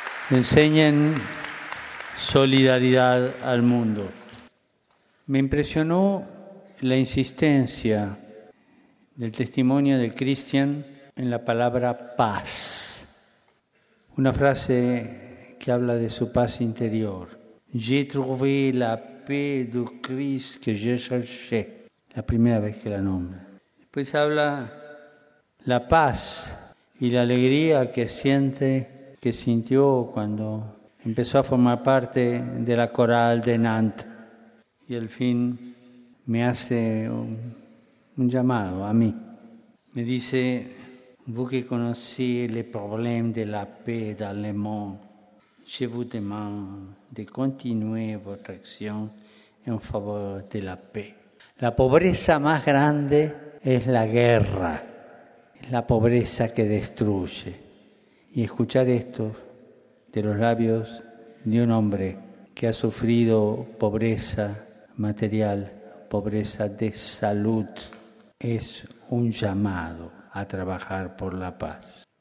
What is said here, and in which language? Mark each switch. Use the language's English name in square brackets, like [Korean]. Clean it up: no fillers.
[Spanish] Enseñen solidaridad al mundo. Me impresionó la insistencia del testimonio de Christian en la palabra paz. Una frase que habla de su paz interior. [French] J'ai trouvé la paix du Christ que je cherchais. [Spanish] La primera vez que la nombra. Después habla la paz y la alegría que sintió cuando empezó a formar parte de la coral de Nantes. Y al fin me hace un llamado a mí. Me dice: [French] vous qui connaissez les problèmes de la paix dans le monde, je vous demande de continuer votre action en faveur de la paix. [Spanish] La pobreza más grande es la guerra, es la pobreza que destruye. Y escuchar esto de los labios de un hombre que ha sufrido pobreza material, pobreza de salud, es un llamado a trabajar por la paz.